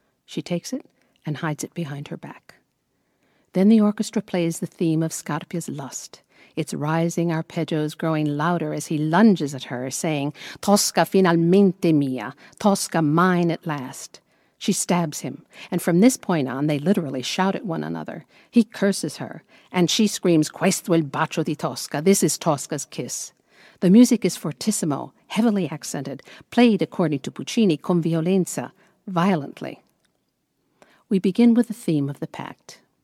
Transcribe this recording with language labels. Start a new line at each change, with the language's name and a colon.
English: She takes it and hides it behind her back. Then the orchestra plays the theme of Scarpia's lust, its rising arpeggios growing louder as he lunges at her, saying,
Italian: Tosca finalmente mia,
English: Tosca mine at last. She stabs him, and from this point on, they literally shout at one another. He curses her, and she screams,
Italian: Questo è il bacio di Tosca,
English: this is Tosca's kiss. The music is fortissimo, heavily accented, played, according to Puccini,
Italian: con violenza,
English: violently. We begin with the theme of the pact.